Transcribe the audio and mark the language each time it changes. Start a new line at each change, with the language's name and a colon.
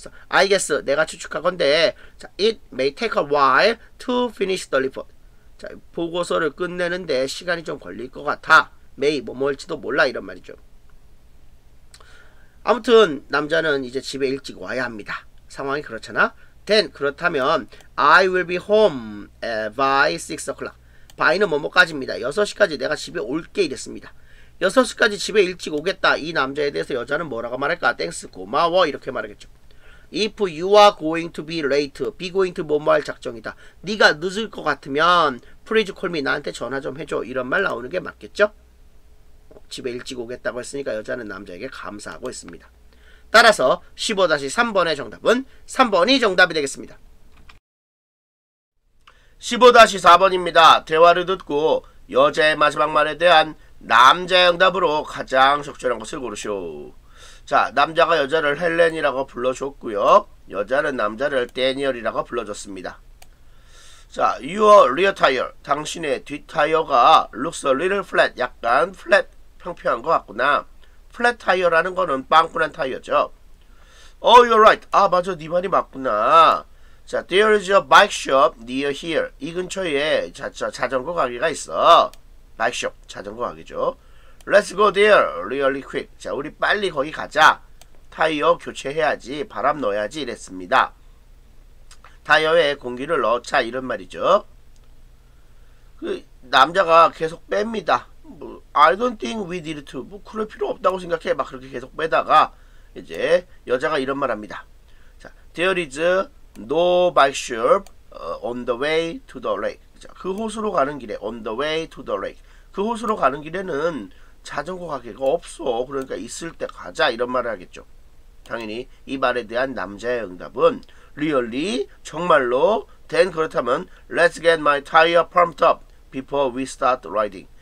English: I guess
Korean: 내가 추측하건대
English: it may take a while to finish the report.
Korean: 자, 보고서를 끝내는데 시간이 좀 걸릴 것 같아. may 뭐뭐일지도 몰라 이런 말이죠. 아무튼 남자는 이제 집에 일찍 와야 합니다. 상황이 그렇잖아.
English: then 그렇다면 I will be home by 6 o'clock.
Korean: by는 뭐뭐까지입니다. 6시까지 내가 집에 올게 이랬습니다. 6시까지 집에 일찍 오겠다. 이 남자에 대해서 여자는 뭐라고 말할까?
English: thanks
Korean: 고마워 이렇게 말하겠죠.
English: If you are going to be late, be going to
Korean: 뭐뭐 할 작정이다. 네가 늦을 것 같으면
English: please call me,
Korean: 나한테 전화 좀 해줘. 이런 말 나오는 게 맞겠죠? 집에 일찍 오겠다고 했으니까 여자는 남자에게 감사하고 있습니다. 따라서 15-3번의 정답은 3번이 정답이 되겠습니다. 15-4번입니다. 대화를 듣고 여자의 마지막 말에 대한 남자의 응답으로 가장 적절한 것을 고르시오. 자, 남자가 여자를 헬렌이라고 불러줬고요. 여자는 남자를 대니얼이라고 불러줬습니다.
English: 자, your rear tire.
Korean: 당신의 뒷타이어가
English: looks a little flat.
Korean: 약간 flat, 평평한 것 같구나. flat tire라는 거는 빵꾸난 타이어죠.
English: Oh, you're right.
Korean: 아, 맞아. 네 말이 맞구나.
English: 자, there is a bike shop near here.
Korean: 이 근처에 자전거 가게가 있어.
English: bike shop,
Korean: 자전거 가게죠.
English: Let's go there really quick.
Korean: 자, 우리 빨리 거기 가자. 타이어 교체해야지, 바람 넣어야지 이랬습니다. 타이어에 공기를 넣자 이런 말이죠. 그 남자가 계속 뺍니다.
English: 뭐, I don't think we need to.
Korean: 뭐 그럴 필요 없다고 생각해. 막 그렇게 계속 빼다가 이제 여자가 이런 말합니다.
English: 자, there is no bike shop on the way to the lake.
Korean: 자, 그 호수로 가는 길에
English: on the way to the lake.
Korean: 그 호수로 가는 길에는 자전거 가게가 없어. 그러니까 있을 때 가자 이런 말을 하겠죠. 당연히 이 말에 대한 남자의 응답은 Really? 정말로?
English: Then 그렇다면 Let's get my tire pumped up before we start riding.